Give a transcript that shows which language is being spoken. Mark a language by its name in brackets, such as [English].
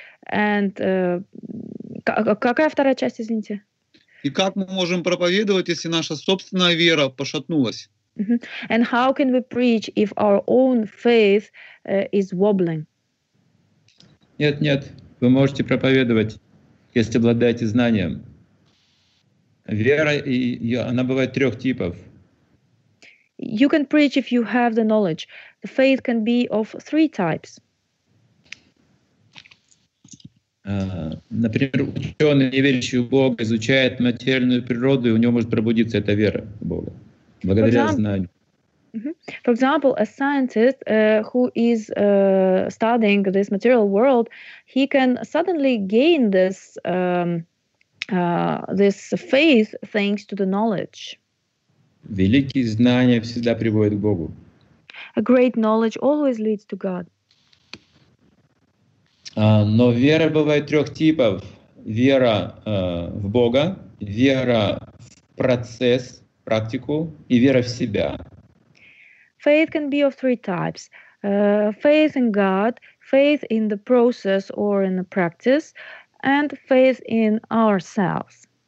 [Russian] And какая вторая часть, извините? И как мы можем проповедовать, если наша собственная вера пошатнулась? Mm-hmm. [English] And how can we preach if our own faith is wobbling? [Russian] Нет, нет, вы можете проповедовать, если обладаете знанием. Вера, она бывает трех типов. [English] You can preach if you have the knowledge. The faith can be of three types. [Russian] Например, ученый, не верящий в Бога, изучает материальную природу, и у него может пробудиться эта вера в Бога. Благодаря знанию. [English] For example, a scientist who is studying this material world, he can suddenly gain this this faith thanks to the knowledge. [Russian] Великие знания всегда приводят к Богу. [English] A great knowledge always leads to God. [Russian] Но вера бывает трех типов. Вера в Бога, вера в процесс, практику и вера в себя. [English] Faith can be of three types. Faith in God, faith in the process or in the practice, and faith in ourselves.